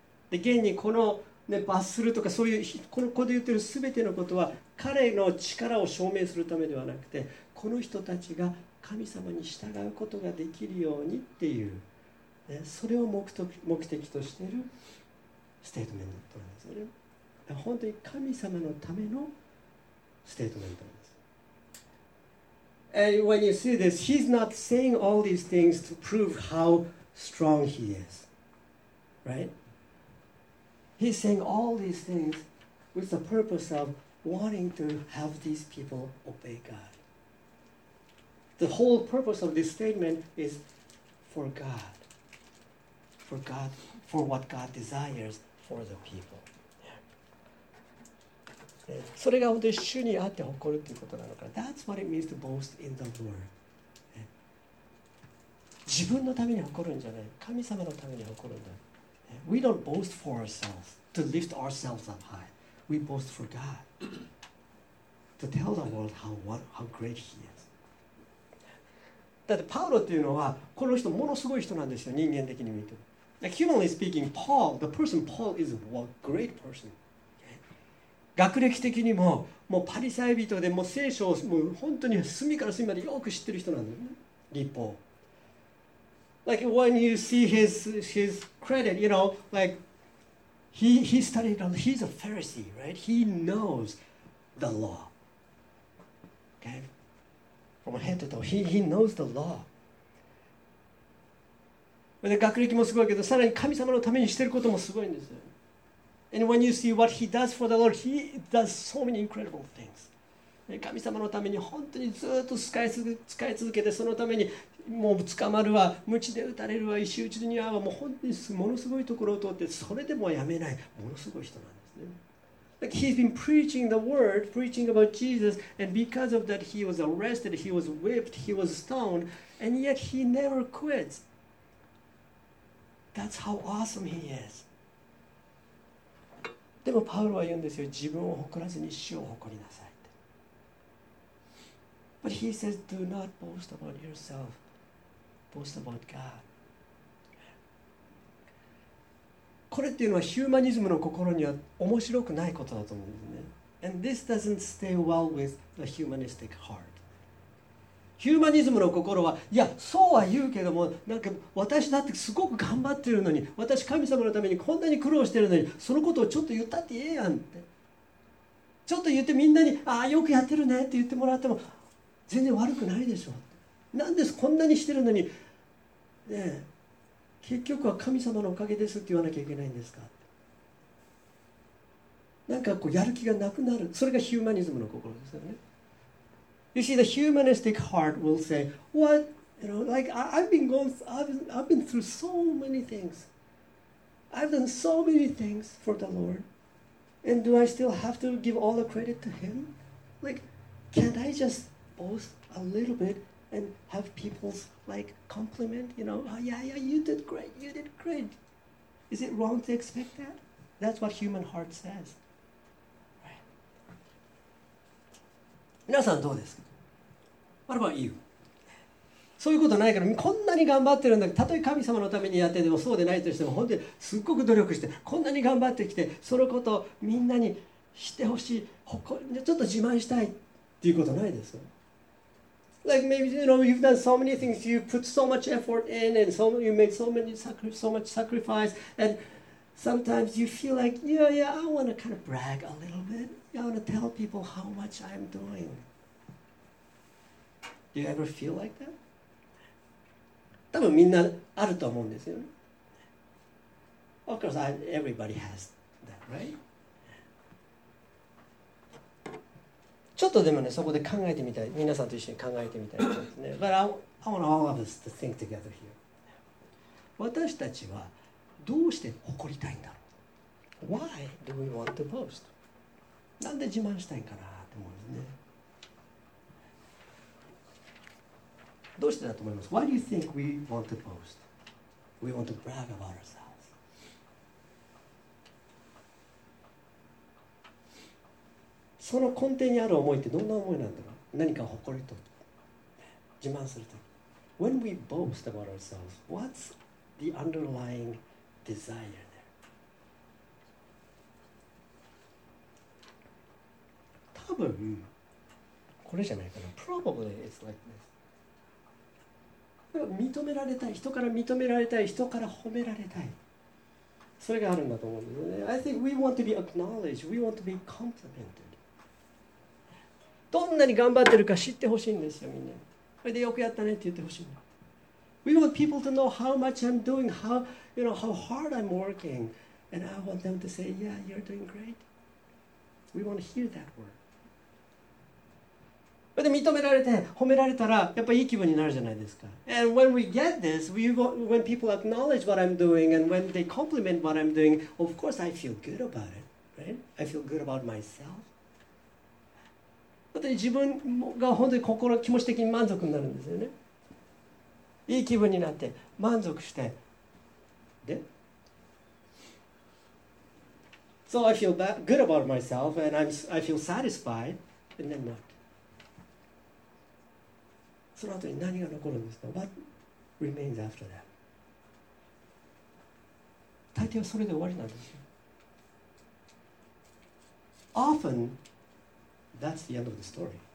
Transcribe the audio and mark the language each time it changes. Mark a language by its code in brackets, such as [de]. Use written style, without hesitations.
[ja] で、現にこの、ね、罰するとかそういうこの子で言ってる全てのことは彼の力を証明するためではなくてこの人たちが神様に従うことができるようにっていう、ね、それを目的としているステートメントなんですよね。本当に神様のためのステートメントです。 [en] And when you see this, he's not saying all these things to prove how strong he is, right? He's saying all these things with the purpose of wanting to have these people obey God. The whole purpose of this statement is for God, for God, for what God desires for the people. [ja] それが本当に主にあって誇るということなのか。 [en] That's what it means to boast in the Lord. [ja] 自分のために誇るんじゃない。神様のために誇るんだ。 [en] We don't boast for ourselves to lift ourselves up high. We boast for God to tell the world how great He is. [ja] だってパウロっていうのはこの人ものすごい人なんですよ。人間的に見ると。 [en] Like humanly speaking, Paul, the person Paul is a great person. [ja] 学歴的にも、もうパリサイ人で、もう聖書をもう本当に隅から隅までよく知ってる人なんだよね、立法。 [en] Like when you see his credit, you know, like he studied, he's a Pharisee, right? He knows the law. Okay? From head to toe, he knows the law. [ja] で学歴もすごいけど、さらに神様のためにしてることもすごいんですよ。 [en] And when you see what he does for the Lord, he does so many incredible things. [ja] 神様のために本当にずっと使い続けて、そのためにもう捕まるわ、鞭で打たれるわ、石打ちに遭うわ、もう本当にものすごいところを通って、それでもやめない、ものすごい人なんですね。 [en] Like he's been preaching the word, preaching about Jesus, and because of that he was arrested, he was whipped, he was stoned, and yet he never quits. That's how awesome he is. [ja] でもパウロは言うんですよ、自分を誇らずに主を誇りなさいって。 [en] But he says, do not boast about yourself, boast about God. [ja] これっていうのはヒューマニズムの心には面白くないことだと思うんですね。 [en] And this doesn't stay well with the humanistic heart. [ja] ヒューマニズムの心は、いや、そうは言うけども、なんか私だってすごく頑張ってるのに、私神様のためにこんなに苦労してるのに、そのことをちょっと言ったってええやんって。ちょっと言ってみんなに、ああ、よくやってるねって言ってもらっても、全然悪くないでしょ。なんです、こんなにしてるのに、ねえ、結局は神様のおかげですって言わなきゃいけないんですか。なんかこう、やる気がなくなる。それがヒューマニズムの心ですよね。 [en] You see, the humanistic heart will say, "What? You know, like I've been through so many things. I've done so many things for the Lord, and do I still have to give all the credit to Him? Like, can't I just boast a little bit and have people's like compliment? You know, oh yeah, yeah, you did great, you did great. Is it wrong to expect that? That's what human heart says." Right. [ja] 皆さんどうですか? [en] What about you? [ja] そういうことないから、こんなに頑張ってるんだけど、たとえ神様のためにやってでもそうでないとしても、本当にすっごく努力して、こんなに頑張ってきて、そのことをみんなにしてほしい、ちょっと自慢したいっていうことないですか？ [en] Like maybe you know you've done so many things, you put so much effort in, and so you made so many sacrifice, and sometimes you feel like yeah, I want to kind of brag a little bit. I want to tell people how much I'm doing. Do you ever feel like that? [ja] 多分みんなあると思うんですよ。 [en] Of course, everybody has that, right? [ja] ちょっとでもね、そこで考えてみたい、皆さんと一緒に考えてみたいですね。 [en] But I want all of us to think together here. [ja] 私たちはどうして誇りたいんだろう。 [en] Why do we want to boast? [ja] なんで自慢したいかなって思うんですね。どうしてだと思います。 [en] Why do you think we want to boast? We want to brag about ourselves. [ja] その根底にある思いってどんな思いなんだろう。何か誇りと自慢すると。 [en] When we boast about ourselves, what's the underlying desire there? [ja] 多分これじゃないかな。 [en] Probably it's like this. [ja] 認められたい、人から認められたい、人から褒められたい。それがあるんだと思うんですね。 [en] I think we want to be acknowledged. We want to be complimented. [ja] どんなに頑張ってるか知ってほしいんですよ、みんな。それでよくやったねって言ってほしい。 [en] We want people to know how much I'm doing, how, you know, how hard I'm working, and I want them to say, yeah, you're doing great. We want to hear that word. [ja] それで認められて褒められたらやっぱりいい気分になるじゃないですか。 [en] And when we get this, we want, when people acknowledge what I'm doing and when they compliment what I'm doing, of course I feel good about it, right? I feel good about myself. [ja] 本当に自分が本当に心気持ち的に満足になるんですよね。いい気分になって満足して、 [en] で、So I feel good about myself and I feel satisfied and then what? [ja] その後に何が残るんですか? [en] What remains after that? [ja] 大抵はそれで終わりなんですよ。 [en] Often,That's the end of the story.